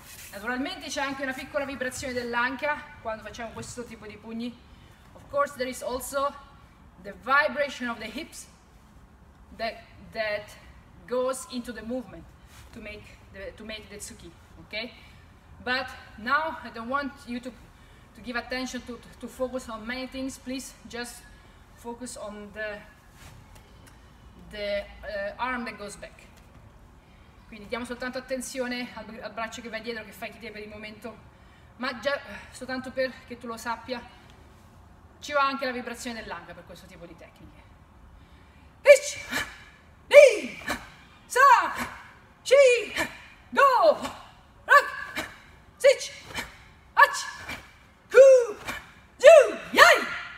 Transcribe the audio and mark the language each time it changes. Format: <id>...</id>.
<it>Naturalmente c'è anche una piccola vibrazione dell'anca quando facciamo questo tipo di pugni.</it> <en>Of course there is also the vibration of the hips that goes into the movement to make the tsuki, okay? But now I don't want you to give attention to focus on many things. Please just focus on the arm that goes back.</en> <it>Quindi diamo soltanto attenzione al braccio che va dietro, che fai chi deve per il momento, ma già soltanto perché tu lo sappia, ci va anche la vibrazione dell'anca per questo tipo di tecniche.</it> <ja>Ich, ni, sa, chi, go, rock, sich, ach, ku, ju, yai.</ja>